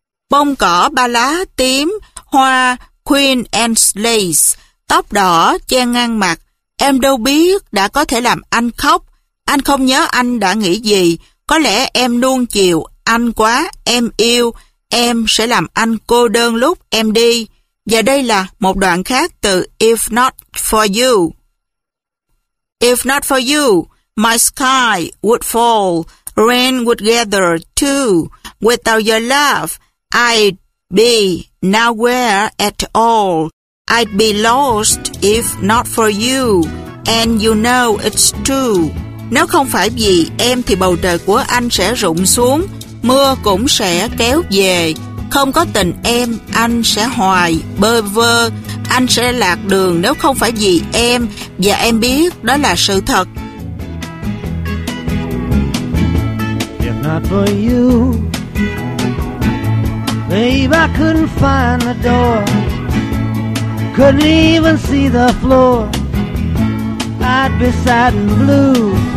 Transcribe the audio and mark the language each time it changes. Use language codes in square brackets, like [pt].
[vi] Bông cỏ ba lá tím, hoa Queen Anne's Lace, tóc đỏ che ngang mặt, em đâu biết đã có thể làm anh khóc. Anh không nhớ anh đã nghĩ gì, có lẽ em nuông chiều anh quá, em yêu, em sẽ làm anh cô đơn lúc em đi. Và đây là một đoạn khác từ If Not For You. [en] If not for you, my sky would fall, rain would gather too. Without your love, I'd be nowhere at all. I'd be lost if not for you, and you know it's true. [vi] Nếu không phải vì em thì bầu trời của anh sẽ rụng xuống, mưa cũng sẽ kéo về. Không có tình em, anh sẽ hoài bơ vơ, anh sẽ lạc đường nếu không phải vì em, và em biết đó là sự thật. [en] If not for you, babe, I couldn't find the door, couldn't even see the floor, I'd be sad and blue.